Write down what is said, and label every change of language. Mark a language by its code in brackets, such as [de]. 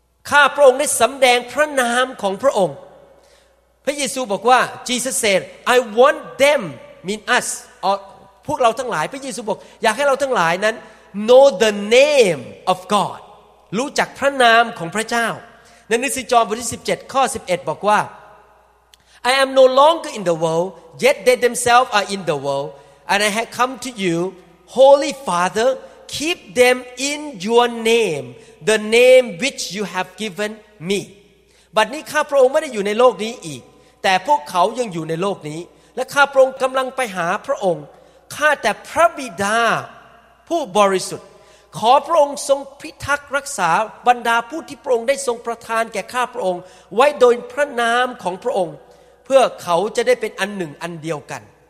[th] ข้าพระองค์ได้สำแดงพระนามของพระองค์พระเยซูบอกว่า [en] Jesus said I want them mean us [th] พวกเราทั้งหลายพระเยซูบอกอยากให้เราทั้งหลายนั้น [en] know the name of God [th] รู้จักพระนามของพระเจ้าในหนังสือยอห์นบทที่17ข้อ11บอกว่า [en] I am no longer in the world yet they themselves are in the world, and I have come to you, Holy Father, keep them in your name, the name which you have given me. [th] บัดนี้ข้าพระองค์ไม่ได้อยู่ในโลกนี้อีกแต่พวกเขายังอยู่ในโลกนี้และข้าพระองค์กำลังไปหาพระองค์ข้าแต่พระบิดาผู้บริสุทธิ์ขอพระองค์ทรงพิทักษ์รักษาบรรดาผู้ที่พระองค์ได้ทรงประทานแก่ข้าพระองค์ไว้โดยพระนามของพระองค์เพื่อเขาจะได้เป็นอันหนึ่งอันเดียวกัน